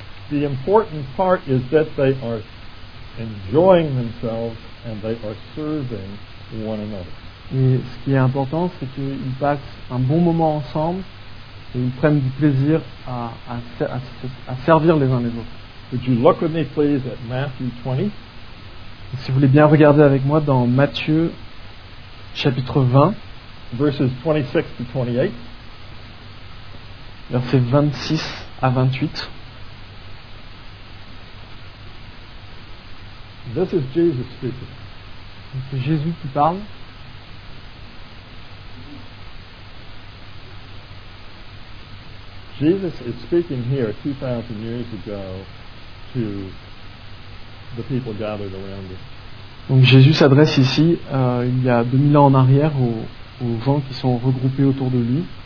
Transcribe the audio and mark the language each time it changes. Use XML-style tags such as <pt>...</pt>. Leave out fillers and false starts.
<en>The important part is that they are enjoying themselves and they are serving one another.</en> <fr>Et ce qui est important, c'est qu'ils passent un bon moment ensemble et ils prennent du plaisir à servir les uns les autres.</fr> <en>Would you look with me, please, at Matthew 20?</en> <fr>Si vous voulez bien regarder avec moi dans Matthieu chapitre 20,</fr> <en>verses 26 to 28,</en> <fr>versets 26 à 28.</fr> <en>This is Jesus speaking.</en> <fr>Donc c'est Jésus qui parle.</fr> <en>Jesus is speaking here 2000 years ago to the people gathered around him.</en> <fr>Donc Jésus s'adresse ici, il y a 2000 ans en arrière, aux gens qui sont regroupés autour de lui.</fr>